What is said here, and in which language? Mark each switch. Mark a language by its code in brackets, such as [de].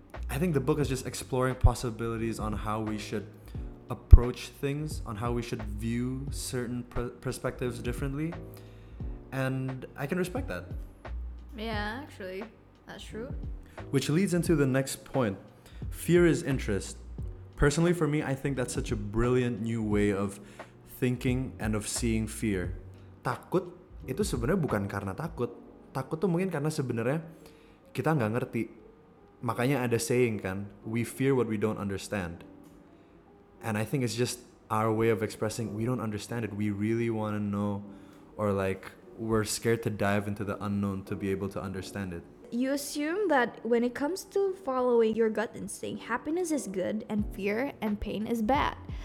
[en] I think the book is just exploring possibilities on how we should approach things, on how we should view certain perspectives differently, and I can respect that. Yeah, actually, that's true. Which leads into the next point. Fear is interest. Personally for me, I think that's such a brilliant new way of thinking and of seeing fear. [id] Takut itu sebenarnya bukan karena takut. Takut tuh mungkin karena sebenarnya kita nggak ngerti. Makanya ada saying kan, [en] we fear what we don't understand. And I think it's just our way of expressing we don't understand it. We really want to know, or like we're scared to dive into the unknown to be able to understand it. You assume that when it comes to following your gut instinct, happiness is good and fear and pain is bad.